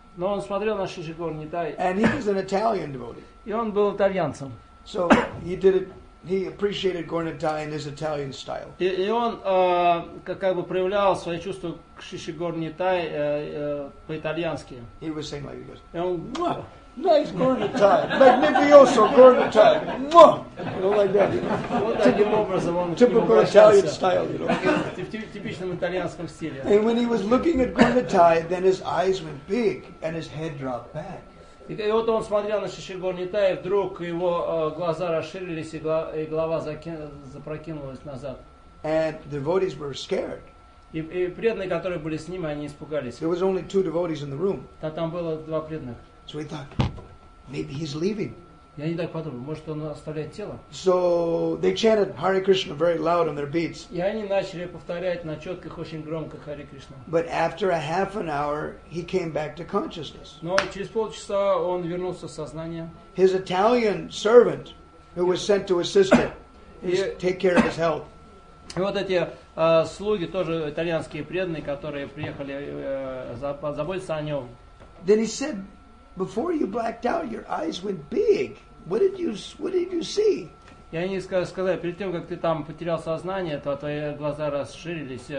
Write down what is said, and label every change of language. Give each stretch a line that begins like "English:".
Russian: Но он смотрел на Шиши Горнитай.
English: And he was an Italian devotee.
Russian: И он был итальянцем.
English: So he did it. He appreciated Gornitai in his Italian style.
Russian: И он как бы проявлял свои чувства к Шиши Горнитай по-итальянски.
English: He was saying like this.
Russian: И он,
English: nice Gornitai, magnifico Gornitai, mwah, you know, like that.
Russian: Вот таким образом он
English: typical Italian style, you know.
Russian: Типичном итальянском стиле.
English: And when he was looking at Gornitai, then his eyes went big and his head dropped back.
Russian: И вот он смотрел на Шиши Горнитай, и вдруг его глаза расширились, и голова запрокинулась назад.
English: And the devotees were scared.
Russian: И преданные, которые были с ним, они испугались.
English: There was only two devotees in the room.
Russian: Там было два преданных.
English: So he thought, maybe he's leaving.
Russian: Я не так подумал. Может, он оставляет тело?
English: So they chanted Hare Krishna very loud on their beats.
Russian: И они начали повторять на четках очень громко Hare Krishna.
English: But after a half an hour, he came back to consciousness.
Russian: Но через полчаса он вернулся в сознание.
English: His Italian servant, who was sent to assist him, take care of his health.
Russian: И вот эти слуги, тоже итальянские преданные, которые приехали заботиться о нем.
English: Then he said, before you blacked out, your eyes went big. What did you see?
Russian: Я не сказал, перед тем, как ты там потерял сознание, то твои глаза расширились.